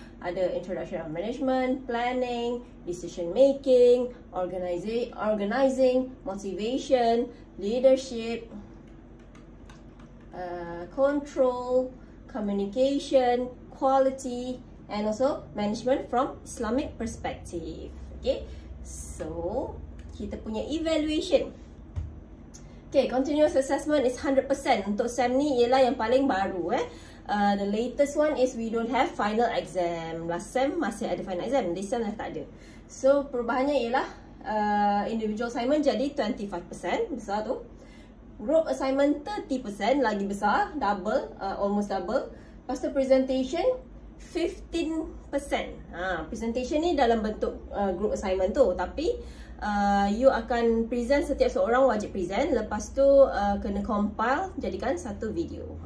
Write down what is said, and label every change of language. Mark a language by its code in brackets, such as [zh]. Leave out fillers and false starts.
[en] Ada introduction of management, planning, decision making, organizing, motivation, leadership, control, communication, quality and also management from Islamic perspective. [ms] Okay, so kita punya evaluation. [en] Okay, continuous assessment is 100%. [ms] Untuk SEM ni ialah yang paling baru eh. [en] The latest one is we don't have final exam. [ms] Last SEM masih ada final exam, this SEM dah tak ada. So perubahannya ialah individual assignment jadi 25%, besar tu. [en] Group assignment 30%, lagi besar, double, almost double. [ms] Lepas tu presentation 15%. Presentation ni dalam bentuk group assignment tu, tapi you akan present, setiap seorang wajib present. Lepas tu kena compile, jadikan satu video.